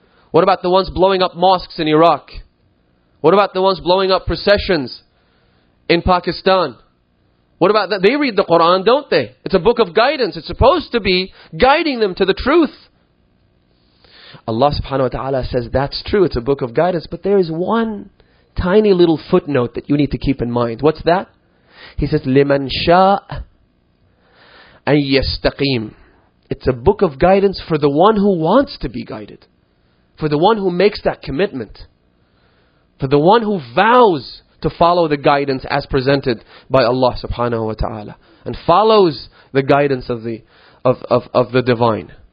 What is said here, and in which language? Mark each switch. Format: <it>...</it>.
<en>What about the ones blowing up mosques in Iraq? What about the ones blowing up processions in Pakistan? What about that? They read the Quran, don't they? It's a book of guidance. It's supposed to be guiding them to the truth. Allah subhanahu wa ta'ala says, that's true, it's a book of guidance. But there is one tiny little footnote that you need to keep in mind. What's that? He says,</en> <ar>لِمَنْ شَاءَ أَنْ يَسْتَقِيمُ.</ar> <en>It's a book of guidance for the one who wants to be guided. For the one who makes that commitment. For the one who vows to follow the guidance as presented by Allah subhanahu wa ta'ala. And follows the guidance of the divine.</en>